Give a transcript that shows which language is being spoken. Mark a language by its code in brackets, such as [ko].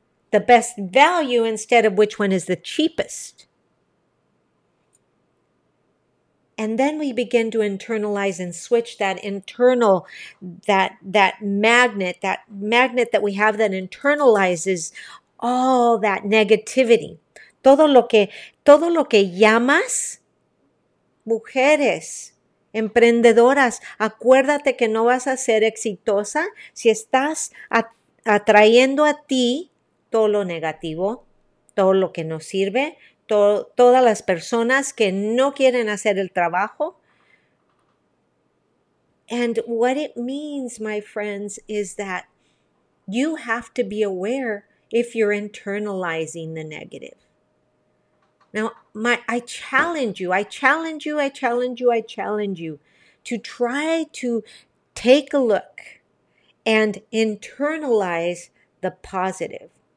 [en] The best value instead of which one is the cheapest. And then we begin to internalize and switch that internal, that magnet that we have that internalizes all that negativity. [es] Todo lo que llamas, mujeres, emprendedoras, acuérdate que no vas a ser exitosa si estás atrayendo a ti todo lo negativo, todo lo que no sirve, todas las personas que no quieren hacer el trabajo. [en] And what it means, my friends, is that you have to be aware if you're internalizing the negative. Now, I challenge you to try to take a look and internalize the positive.